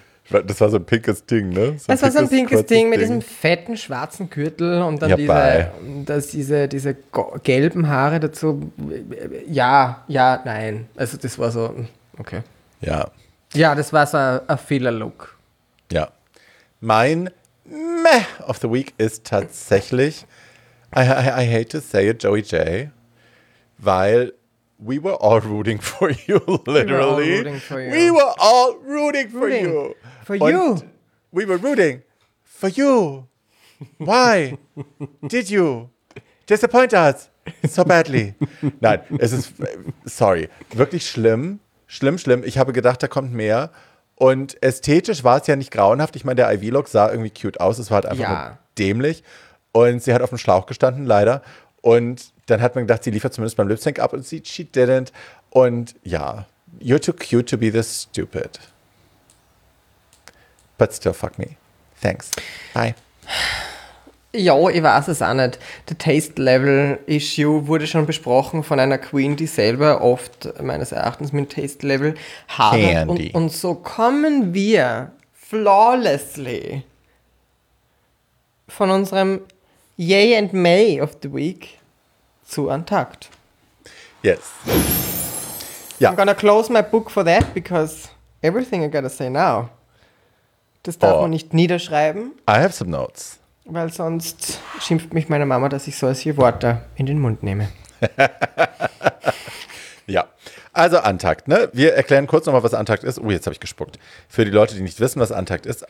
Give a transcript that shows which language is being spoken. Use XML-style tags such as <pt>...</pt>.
<de>Das war so ein pinkes Ding, ne? Das war so ein pinkes Ding mit diesem fetten schwarzen Gürtel und dann diese gelben Haare dazu. Ja, nein. Also das war so, okay. Ja. Ja, das war so ein Fehler-Look. Ja. Mein Meh of the Week ist tatsächlich,</de> <en>I hate to say it, Joey J, weil we were all rooting for you, literally. We were all rooting for you. For you. We were rooting for you. Why did you disappoint us so badly?</en> <de>Nein, es ist, sorry, wirklich schlimm. Schlimm, schlimm. Ich habe gedacht, da kommt mehr. Und ästhetisch war es ja nicht grauenhaft. Ich meine, der Ivy-Look sah irgendwie cute aus. Es war halt einfach dämlich. Und sie hat auf dem Schlauch gestanden, leider. Und dann hat man gedacht, sie liefert zumindest beim Lip-Sync ab. Und</de> <en>she didn't.</en> <de>Und ja,</de> <en>you're too cute to be this stupid. But still, fuck me. Thanks. Bye.</en> <de>Ja, ich weiß es auch nicht. The Taste Level Issue wurde schon besprochen von einer Queen, die selber oft meines Erachtens mit Taste Level hadert. Und so kommen wir flawlessly von unserem Yay and May of the Week zu Untucked.</de> <en>Yes. Yeah. I'm gonna close my book for that because everything I gotta say now.</en> <de>Das darf man nicht niederschreiben.</de> <en>I have some notes.</en> <de>Weil sonst schimpft mich meine Mama, dass ich solche Worte in den Mund nehme. Ja, also Untucked, ne? Wir erklären kurz nochmal, was Untucked ist. Jetzt habe ich gespuckt. Für die Leute, die nicht wissen, was Untucked ist.</de>